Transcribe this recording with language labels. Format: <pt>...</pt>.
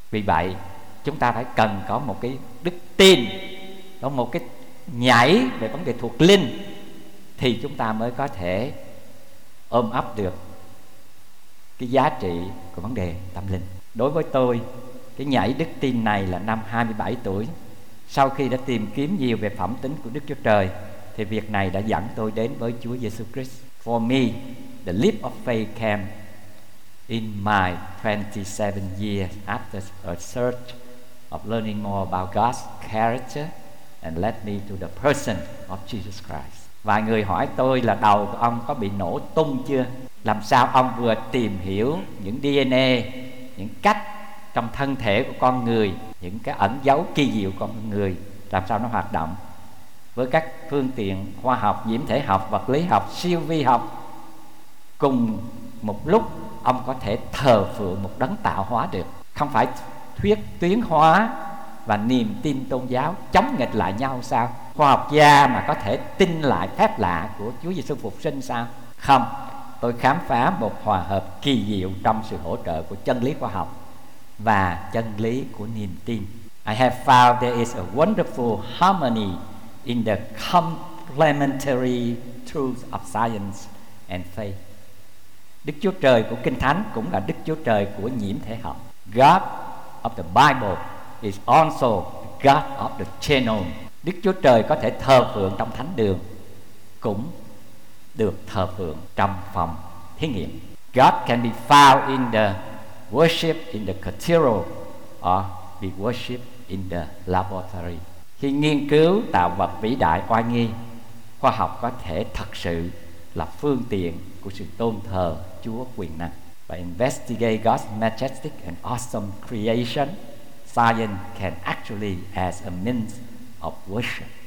<vi>Vì vậy chúng ta phải cần có một cái đức tin, có một cái nhảy về vấn đề thuộc linh, thì chúng ta mới có thể ôm ấp được cái giá trị của vấn đề tâm linh. Đối với tôi, cái nhảy đức tin này là năm 27 tuổi, sau khi đã tìm kiếm nhiều về phẩm tính của Đức Chúa Trời, thì việc này đã dẫn tôi đến với Chúa Giêsu Christ.</vi> <en>For me, the leap of faith came in my 27 years after a search of learning more about God's character and led me to the person of Jesus Christ.</en> <vi>Vài người hỏi tôi là đầu của ông có bị nổ tung chưa? Làm sao ông vừa tìm hiểu những DNA, những cách trong thân thể của con người, những cái ẩn dấu kỳ diệu của con người, làm sao nó hoạt động với các phương tiện khoa học, nhiễm thể học, vật lý học, siêu vi học, cùng một lúc ông có thể thờ phượng một đấng tạo hóa được? Không phải thuyết tuyến hóa và niềm tin tôn giáo chống nghịch lại nhau sao? khoa học gia mà có thể tin lại phép lạ của Chúa Giêsu phục sinh sao? Không, tôi khám phá một hòa hợp kỳ diệu trong sự hỗ trợ của chân lý khoa học và chân lý của niềm tin.</vi> <en>I have found there is a wonderful harmony in the complementary truths of science and faith.</en> <vi>Đức Chúa Trời của Kinh Thánh cũng là Đức Chúa Trời của nhiễm thể học.</vi> <en>God of the Bible is also God of the genome.</en> <vi>Đức Chúa Trời có thể thờ phượng trong thánh đường, cũng được thờ phượng trong phòng thí nghiệm.</vi> <en>God can be found in the worship in the cathedral or be worshipped in the laboratory.</en> <vi>Khi nghiên cứu tạo vật vĩ đại oai nghi, khoa học có thể thật sự là phương tiện của sự tôn thờ Chúa quyền năng.</vi> <en>By investigating God's majestic and awesome creation, science can actually as a means of worship.</en>